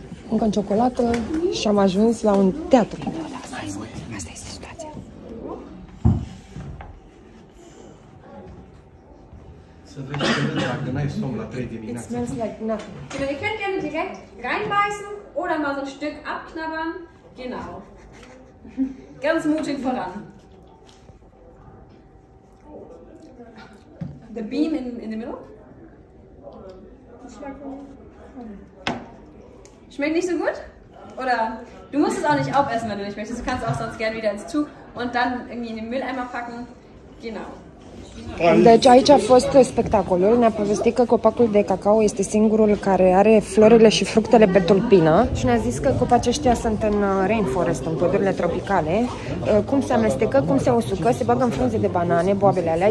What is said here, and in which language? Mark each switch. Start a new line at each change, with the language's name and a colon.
Romanian: Încă în ciocolată și am ajuns la un teatru. Asta este situația. să vezi ce vezi dacă n-ai somn la 3 dimineața.
English: It smells like nothing.
German: Ihr könnt gerne direkt reinbeißen oder mal so ein Stück abknabbern. Genau. Ganz mutig voran.
English: The bean in the middle?
German: Schmeckt nicht so gut? Oder du musst es auch nicht aufessen, wenn du nicht möchtest. Du kannst auch sonst gerne wieder ins Zug und dann irgendwie in den Mülleimer packen. Genau.
Romanian: Deci aici a fost spectacolul. Ne-a povestit că copacul de cacao este singurul care are florile și fructele pe tulpină și ne-a zis că copacii ăștia sunt în rainforest, în pădurile tropicale. Cum se amestecă, cum se usucă, se bagă în frunze de banane, boabele alea.